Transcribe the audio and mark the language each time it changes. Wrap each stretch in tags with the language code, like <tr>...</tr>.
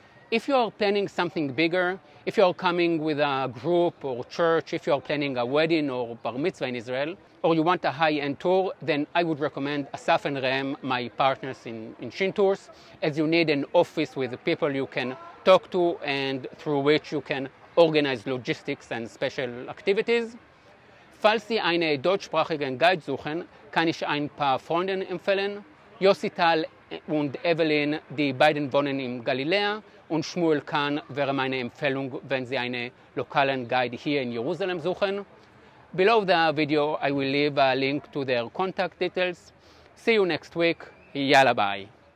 <en>If you are planning something bigger, if you are coming with a group or church, if you are planning a wedding or bar mitzvah in Israel, or you want a high-end tour, then I would recommend Asaf and Rem, my partners in Shin Tours, as you need an office with people you can talk to and through which you can organize logistics and special activities.</en> <de>Falls Sie eine deutschsprachigen Guide suchen, kann ich ein paar Freunde empfehlen. Yossi Tal und Evelin, die beiden wohnen in Galiläa, und Schmuel Kahn wäre meine Empfehlung, wenn Sie einen lokalen Guide hier in Jerusalem suchen.</de> <en>Below the video, I will leave a link to their contact details. See you next week. Yalla bye.</en>